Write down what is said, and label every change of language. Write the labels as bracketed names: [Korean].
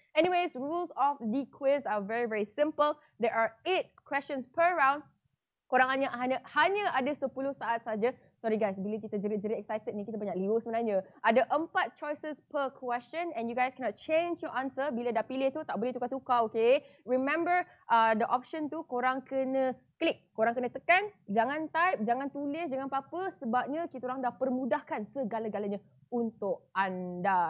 [English] Anyways, rules of the quiz are very very simple. There are 8 questions per round. [Malay] Korang hanya ada 10 saat saja. Sorry guys, bila kita jerit-jerit excited ni, kita banyak liur sebenarnya. [English] Ada 4 choices per question and you guys cannot change your answer. [Malay] Bila dah pilih tu, tak boleh tukar-tukar, okay? [English] Remember, the option [Malay] tu korang kena klik. Korang kena tekan, jangan type, jangan tulis, jangan apa-apa. Sebabnya kita orang dah permudahkan segala-galanya untuk anda.